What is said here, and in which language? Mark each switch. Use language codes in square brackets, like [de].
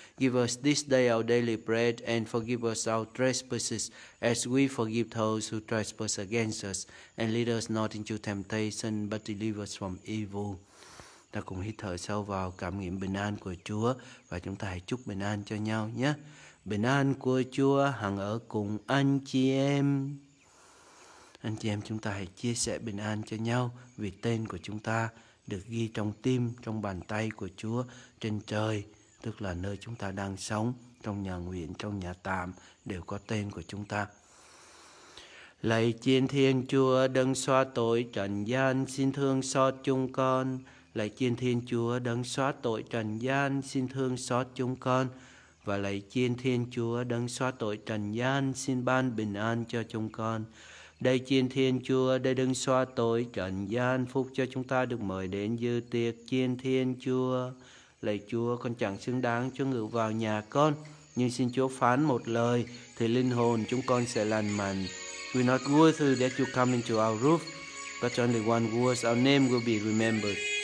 [en] Give us this day our daily bread, and forgive us our trespasses as we forgive those who trespass against us. And lead us not into temptation, but deliver us from evil. [vi] Ta cùng hít thở sâu vào, cảm nghiệm bình an của Chúa, và chúng ta hãy chúc bình an cho nhau nhé. Bình an của Chúa hằng ở cùng anh chị em. Anh chị em chúng ta hãy chia sẻ bình an cho nhau, vì tên của chúng ta được ghi trong tim, trong bàn tay của Chúa trên trời, tức là nơi chúng ta đang sống, trong nhà nguyện, trong nhà tạm, đều có tên của chúng ta. Lạy Chiên Thiên Chúa, đấng xóa tội trần gian, xin thương xót chúng con. Lạy Chiên Thiên Chúa, đấng xóa tội trần gian, xin thương xót chúng con. Và lạy Chiên Thiên Chúa, đấng xóa tội trần gian, xin ban bình an cho chúng con. Đây Chiên Thiên Chúa, đây đấng xóa tội trần gian, phúc cho chúng ta được mời đến dự tiệc Chiên Thiên Chúa. Lạy Chúa, con chẳng xứng đáng cho ngự vào nhà con, nhưng xin Chúa phán một lời thì linh hồn chúng con sẽ lành mạnh. [en] We're not worthy that you come into our roof, but only one word, our name will be remembered.